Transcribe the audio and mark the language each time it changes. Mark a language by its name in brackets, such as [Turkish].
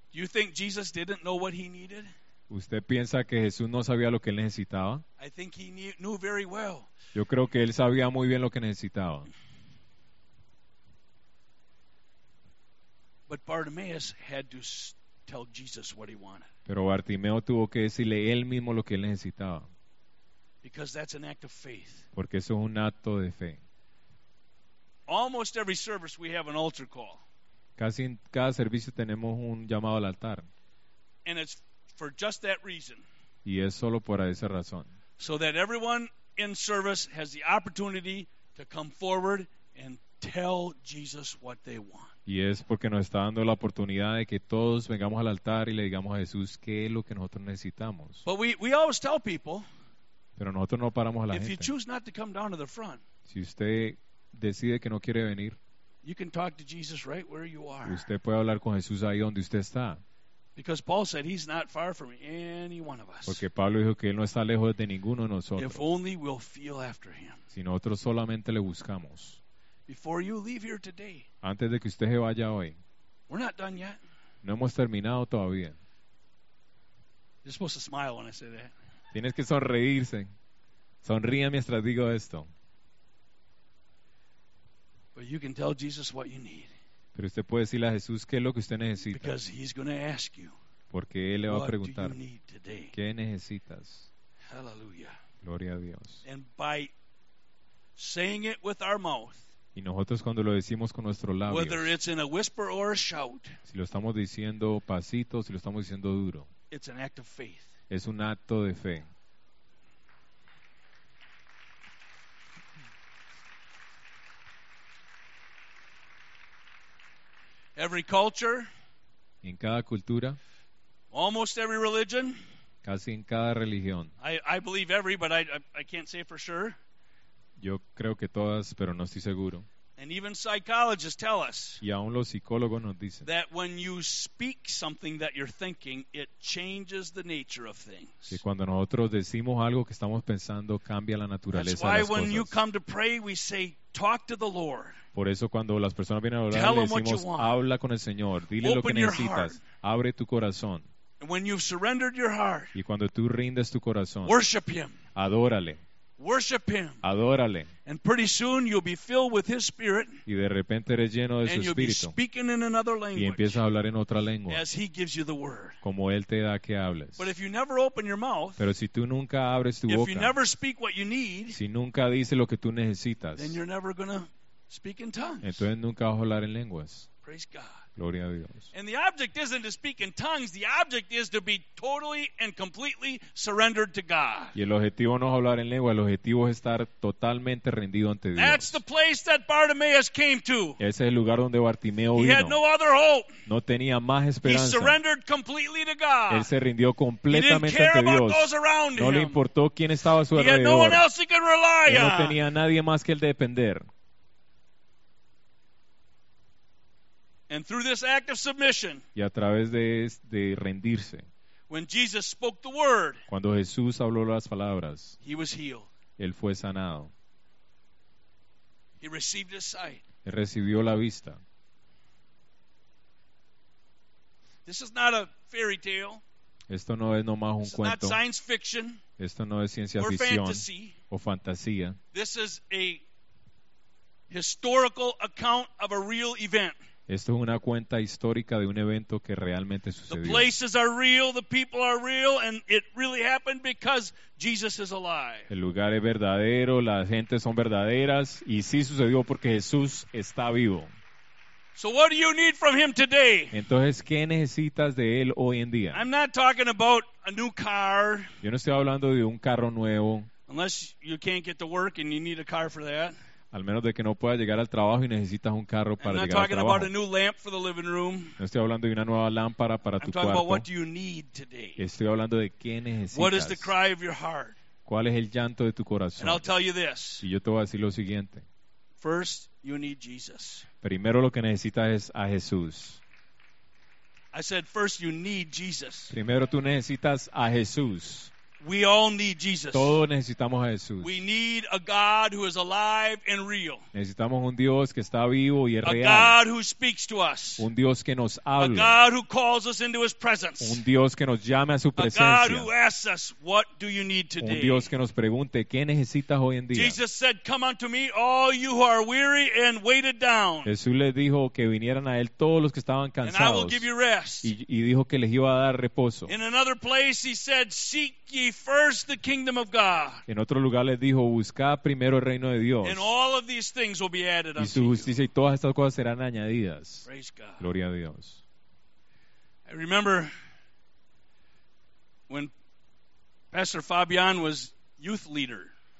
[English] Do you think Jesus didn't know what he needed? [Spanish] ¿Usted piensa que Jesús no sabía lo que él necesitaba? [English] I think he knew very well. [Spanish] Yo creo que él sabía muy bien lo que necesitaba. [English] But Bartimaeus had to tell Jesus what he wanted. [Spanish] Pero Bartimeo tuvo que decirle él mismo lo que él necesitaba. [English] Because that's an act of faith. [Spanish] Porque eso es un acto de fe. [English] Almost every service we have an altar call. [Spanish] Casi en cada servicio tenemos un llamado al altar. [English] And it's for just that reason. [Spanish] Y es solo por esa razón. [English] So that everyone in service has the opportunity to come forward and tell Jesus what they want. [Spanish] Y es porque nos está dando la oportunidad de que todos vengamos al altar y le digamos a Jesús qué es lo que nosotros necesitamos. [English] But we always tell people. [Spanish] Pero nosotros no paramos a la [English] if [Spanish] gente. [English] If you choose not to come down to the front. [Spanish] Si usted decide que no quiere venir. [English] You can talk to Jesus right where you are. [Spanish] Usted puede hablar con Jesús ahí donde usted está. [English] Because Paul said he's not far from any one of us. [Spanish] Porque Pablo dijo que él no está lejos de ninguno de nosotros. [English] If only we'll feel after him. [Spanish] Si nosotros solamente le buscamos. [English] Before you leave here today. [Spanish] Antes de que usted se vaya hoy. [English] We're not done yet. [Spanish] No hemos terminado todavía. [English] You're supposed to smile when I say that. [Spanish] Tienes que sonreírse. Sonríe mientras digo esto. [English] But you can tell Jesus what you need. [Spanish] Pero usted puede decirle a Jesús qué es lo que usted necesita. [English] Because he's going to ask you. [Spanish] Porque él le va a preguntar. [English] What do you need today? [Spanish] ¿Qué necesitas? [English] Hallelujah. [Spanish] Gloria a Dios. [English] And by saying it with our mouth. [Spanish] Y nosotros cuando lo decimos con nuestros labios. [English] Whether it's in a whisper or a shout. [Spanish] Si lo estamos diciendo pasito, si lo estamos diciendo duro. [English] It's an act of faith. [Spanish] Es un acto de fe. [English] Every culture, [Spanish] en cada cultura, [English] almost every religion, [Spanish] casi en cada religión, [English] I believe every, but I can't say for sure. [Spanish] Yo creo que todas, pero no estoy seguro. [English] And even psychologists tell us, [Spanish] y aún los psicólogos nos dicen, [English] that when you speak something that you're thinking, it changes the nature of things. [Spanish] Que cuando nosotros decimos algo que estamos pensando, cambia la naturaleza de las cosas. [English] That's why when you come to pray, we say, talk to the Lord. [Spanish] Por eso cuando las personas vienen a hablar, le decimos, habla con el Señor, dile [English] open [Spanish] lo que necesitas, abre tu corazón. [English] And when you've surrendered your heart, [Spanish] y cuando tú rindes tu corazón, [English] worship him. [Spanish] Adórale. [English] Worship him. [Spanish] Adórale. [English] And pretty soon you'll be filled with his spirit. [Spanish] Y de repente eres lleno de [English] and you'll [Spanish] espíritu. [English] Be speaking in another language. [Spanish] Y empiezas a hablar en otra lengua. [English] As he gives you the word. [Spanish] Como él te da que hables. [English] But if you never open your mouth. [Spanish] Pero si tú nunca abres tu [English] if [Spanish] boca. [English] If you never speak what you need. [Spanish] Si nunca dices lo que tú necesitas. [English] Then you're never gonna speak in tongues. [Spanish] Entonces nunca vas a hablar en lenguas. [English] Praise God. [Spanish] Gloria a Dios. [English] And the object isn't to speak in tongues. The object is to be totally and completely surrendered to God. [Spanish] Y el objetivo no es hablar en lengua. El objetivo es estar totalmente rendido ante Dios. [English] That's the place that Bartimaeus came to. [Spanish] Ese es el lugar donde Bartimeo vino. [English] He had no other hope. [Spanish] No tenía más esperanza. [English] He surrendered completely to God. [Spanish] Él se rindió completamente ante Dios. [English] He didn't care about those around him. [Spanish] No le importó quién estaba a su alrededor. [English] He had no one else he could rely on. [Spanish] Él no tenía nadie más que él depender. [English] And through this act of submission, [Spanish] y a través de rendirse, [English] when Jesus spoke the word, [Spanish] cuando Jesús habló las palabras, [English] he was healed. [Spanish] Él fue sanado. [English] He received his sight. [Spanish] Él recibió la vista. [English] This is not a fairy tale. [Spanish] Esto no es nomás un cuento. [English] This is not science fiction. [Spanish] Esto no es ciencia ficción o fantasía. [English] This is a historical account of a real event. [Spanish] Esto es una cuenta histórica de un evento que realmente sucedió. [English] The places are real, the people are real, and it really happened because Jesus is alive. [Spanish] El lugar es verdadero, las gentes son verdaderas, y sí sucedió porque Jesús está vivo. [English] So what do you need from him today? [Spanish] Entonces, ¿qué necesitas de él hoy en día? [English] I'm not talking about a new car. [Spanish] Yo no estoy hablando de un carro nuevo. [English] Unless you can't get to work and you need a car for that. [Spanish] Al menos de que no pueda llegar al trabajo y necesitas un carro para llegar al trabajo. [English] About a new lamp for the living room. [Spanish] No estoy hablando de una nueva lámpara para [English] I'm [Spanish] tu [English] talking [Spanish] cuarto. [English] About what do you need today. [Spanish] Estoy hablando de qué necesitas. [English] What is the cry of your heart? [Spanish] ¿Cuál es el llanto de tu corazón? [English] And I'll tell you this. [Spanish] Y yo te voy a decir lo siguiente. [English] First, you need Jesus. [Spanish] Primero lo que necesitas es a Jesús. [English] I said, first, you need Jesus. [Spanish] Primero tú necesitas a Jesús. [English] We all need Jesus. [Spanish] Todos necesitamos a Jesús. [English] We need a God who is alive and real. [Spanish] Necesitamos un Dios que está vivo y es [English] a [Spanish] real. [English] A God who speaks to us. [Spanish] Un Dios que nos habla. [English] A God who calls us into his presence. [Spanish] Un Dios que nos llame a su presencia. [English] A God who asks us, what do you need today? [Spanish] Un Dios que nos pregunte, ¿qué necesitas hoy en día? [English] Jesus said, come unto me all you who are weary and weighted down. [Spanish] Jesús les dijo que vinieran a él todos los que estaban cansados. [English] And I will give you rest. [Spanish] Y dijo que les iba a dar reposo. [English] In another place he said, seek ye first the kingdom of God. [Spanish] En otro lugar les dijo, busca primero el reino de Dios. [English] And all of these things will be added unto you. [Spanish] Y su justicia y todas estas cosas serán añadidas. [English] Praise God. [Spanish] Gloria a Dios. [English] I remember when Pastor Fabian was youth leader.